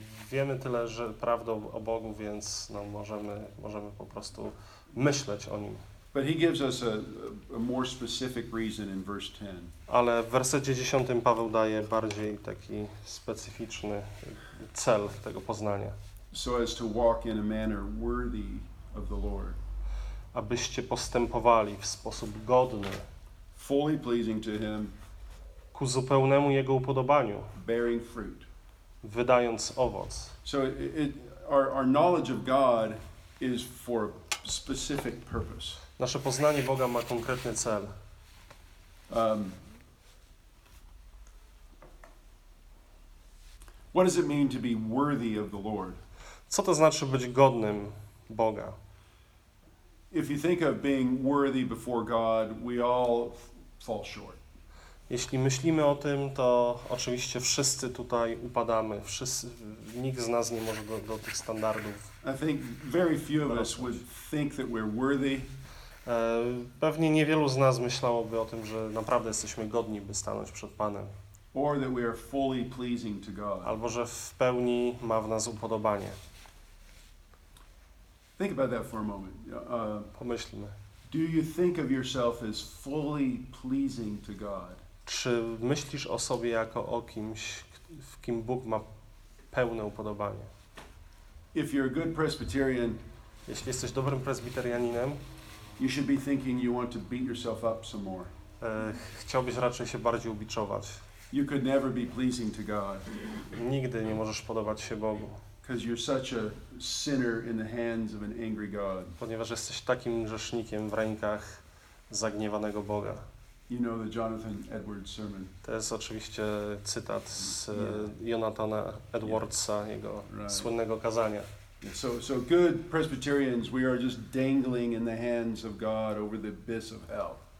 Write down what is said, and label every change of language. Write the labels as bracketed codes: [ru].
[pl] Wiemy tyle, że prawdę o Bogu, więc no, możemy po prostu myśleć o Nim. [en] But he gives us a more specific reason in verse 10. [pl] Ale w wersecie 10 Paweł daje bardziej taki specyficzny cel tego poznania. [en] So as to walk in a manner worthy of the Lord. [pl] Abyście postępowali w sposób godny. [en] Fully pleasing to him. [pl] Ku zupełnemu Jego upodobaniu. [en] Bearing fruit. [pl] Wydając owoc. [en] So our knowledge of God is for a specific purpose. [pl] Nasze poznanie Boga ma konkretny cel. [en] What does it mean to be worthy of the Lord? [pl] Co to znaczy być godnym Boga? [en] If you think of being worthy before God, we all fall short. [pl] Jeśli myślimy o tym, to oczywiście wszyscy tutaj upadamy. Nikt z nas nie może do tych standardów. [en] I think very few of us would think that we're worthy. [pl] Pewnie niewielu z nas myślałoby o tym, że naprawdę jesteśmy godni, by stanąć przed Panem. [en] Or that we are fully pleasing to God. [pl] Albo że w pełni ma w nas upodobanie. [en] Think about that for a moment. [pl] Pomyślmy. [en] Do you think of yourself as fully pleasing to God? [pl] Czy myślisz o sobie jako o kimś, w kim Bóg ma pełne upodobanie? [en] If you're a good Presbyterian, [pl] jeśli jesteś dobrym prezbiterianinem, [en] you should be thinking you want to beat yourself up some more. [pl] Chciałbyś raczej się bardziej ubiczować. [en] You could never be pleasing to God. [pl] Nigdy nie możesz podobać się Bogu. [en] Because you're such a sinner in the hands of an angry God. [pl] Ponieważ jesteś takim grzesznikiem w rękach zagniewanego Boga. [en] You know the Jonathan Edwards sermon. [pl] To jest oczywiście cytat z Jonathana Edwardsa, jego słynnego kazania. [en] So good Presbyterians, we are just dangling in the hands of God over the abyss of hell.